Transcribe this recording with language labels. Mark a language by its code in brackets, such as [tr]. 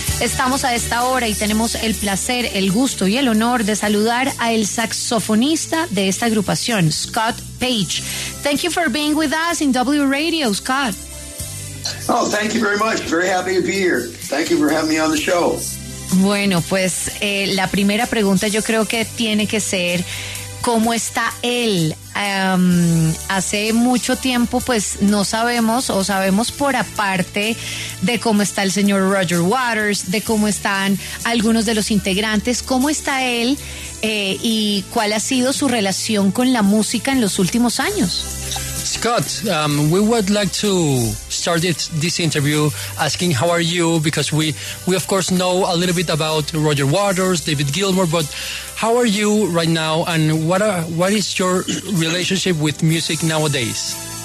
[es] Estamos a esta hora y tenemos el placer, el gusto y el honor de saludar al saxofonista de esta agrupación, Scott Page. [en] Thank you for being with us in W Radio, Scott. Oh, thank you very much. Very happy to be here. Thank you for having me on the show. [es] Bueno, pues la primera pregunta yo creo que tiene que ser, ¿cómo está él? Hace mucho tiempo, pues, no sabemos, o sabemos por aparte de cómo está el señor Roger Waters, de cómo están algunos de los integrantes. ¿Cómo está él y cuál ha sido su relación con la música en los últimos años? [en] Scott, we would like to start this interview asking how are you, because we of course know a little bit about Roger Waters, David Gilmour, but how are you right now, and what is your relationship with music nowadays?